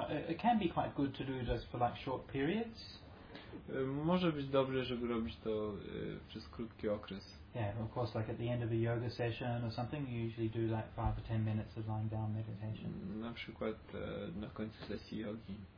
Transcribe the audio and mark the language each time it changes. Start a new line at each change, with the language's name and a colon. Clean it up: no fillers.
English: It can be quite good to do just for like short periods.
Polish: Może być dobre, żeby robić to przez krótki okres.
English: Yeah, of course, like at the end of a yoga session or something, you usually do like 5 or 10 minutes of lying down meditation.
Polish: Na przykład na końcu sesji jogi.